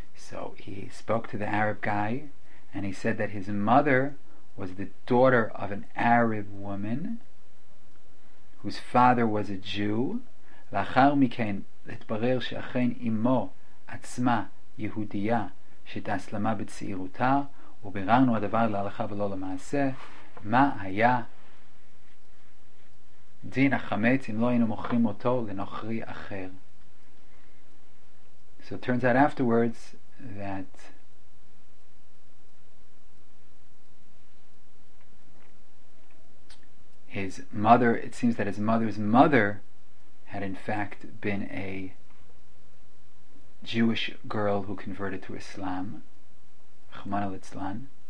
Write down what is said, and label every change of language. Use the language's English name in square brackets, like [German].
[English] So he spoke to the Arab guy, and he said that his mother was the daughter of an Arab woman whose father was a Jew. [Hebrew] לאחר מכן התברר שאכן אמו עצמה יהודיה שתאסלמה בצעירותה, וביררנו הדבר להלכה ולא למעשה, מה היה דין החמץ אם לא היינו מוכרים אותו לנוכרי אחר. [English] So it turns out afterwards that his mother, it seems that his mother's mother had in fact been a Jewish girl who converted to Islam, Rahmana Litzlan.